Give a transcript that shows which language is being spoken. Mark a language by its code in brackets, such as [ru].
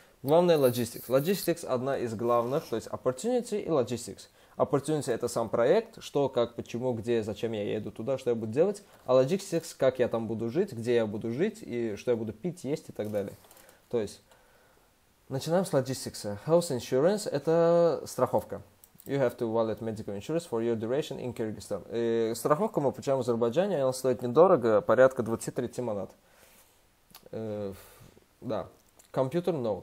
[ru] Главное logistics. Logistics одна из главных, то есть opportunity и logistics. Opportunity это сам проект, что, как, почему, где, зачем я еду туда, что я буду делать. А logistics, как я там буду жить, где я буду жить и что я буду пить, есть и так далее. То есть Начинаем с logistics. Health insurance – это страховка. [en] You have to wallet medical insurance for your duration in Kyrgyzstan. [ru] И страховку мы получаем в Азербайджане, она стоит недорого, порядка 20-30 манат. Да. Компьютер – no.